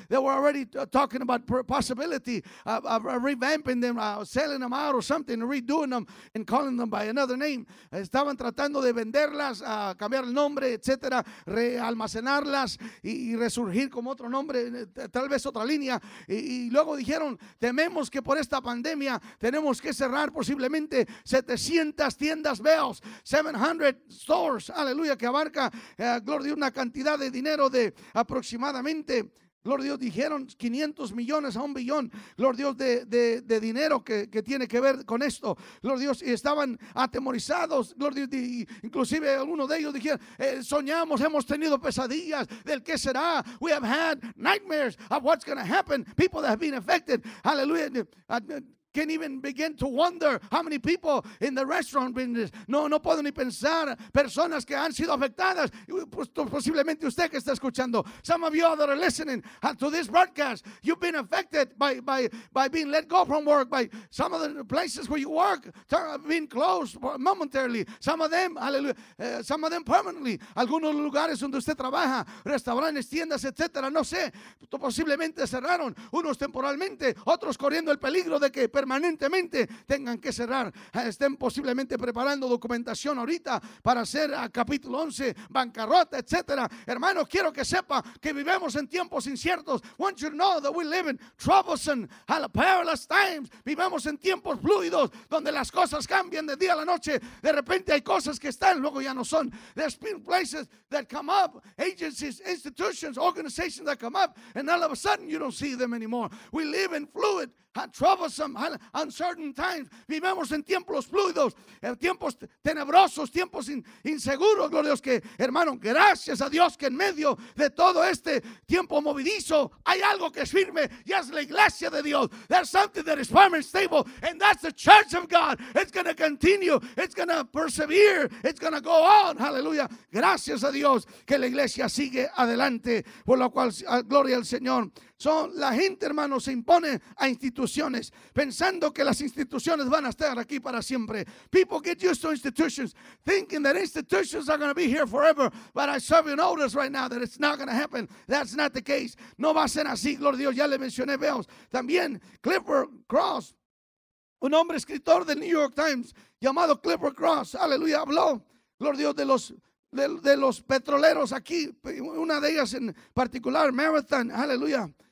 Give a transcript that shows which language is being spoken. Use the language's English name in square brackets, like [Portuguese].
[English] They were already talking about possibility of revamping them, selling them out or something, redoing them and calling them by another name. [Spanish] Estaban tratando de venderlas, cambiar el nombre, etcétera, realmacenarlas y resurgir como otro nombre, tal vez otra línea. Y luego dijeron, tememos que por esta pandemia tenemos que cerrar posiblemente 700 tiendas Bells, 700 stores, aleluya, que abarca, gloria a Dios, una cantidad de dinero de aproximadamente, gloria a Dios, dijeron 500 millones a un billón, gloria a Dios, de dinero que tiene que ver con esto, gloria a Dios, y estaban atemorizados, gloria a Dios, inclusive algunos de ellos dijeron, soñamos, hemos tenido pesadillas del qué será, [English] we have had nightmares of what's going to happen, people that have been affected, aleluya, can't even begin to wonder how many people in the restaurant business. [Spanish] No puedo ni pensar personas que han sido afectadas. Posiblemente usted que está escuchando. [English] Some of you that are listening to this broadcast, you've been affected by being let go from work, by some of the places where you work being closed momentarily. Some of them, hallelujah, some of them permanently. [Spanish] Algunos lugares donde usted trabaja, restaurantes, tiendas, etcétera, no sé, posiblemente cerraron, unos temporalmente, otros corriendo el peligro de que permanentemente tengan que cerrar, estén posiblemente preparando documentación ahorita para hacer a capítulo 11, bancarrota, etcétera. Hermano, quiero que sepa que vivimos en tiempos inciertos. [English] Want you to know that we live in troublesome, perilous times. [Spanish] Vivimos en tiempos fluidos donde las cosas cambian de día a la noche. De repente hay cosas que están, luego ya no son. [English] There's been places that come up, agencies, institutions, organizations that come up, and all of a sudden you don't see them anymore. We live in fluid, troublesome, uncertain times. [Spanish] Vivimos en tiempos fluidos, en tiempos tenebrosos, tiempos inseguros, gloria a Dios, que hermano, gracias a Dios que en medio de todo este tiempo movidizo hay algo que es firme, y es la iglesia de Dios. [English] There's something that is firm and stable, and that's the church of God. It's going to continue, it's going to persevere, it's going to go on, hallelujah. [Spanish] Gracias a Dios que la iglesia sigue adelante, por lo cual gloria al Señor. Son la gente, hermano, se impone a instituciones pensando que las instituciones van a estar aquí para siempre. [English] People get used to institutions, thinking that institutions are going to be here forever, but I serve you notice right now that it's not going to happen. That's not the case. [Spanish] No va a ser así, gloria a Dios. Ya le mencioné, veos. También Clifford Cross, un hombre escritor del New York Times llamado Clifford Cross, aleluya, habló, gloria a Dios, de los petroleros aquí, una de ellas en particular, Marathon, aleluya,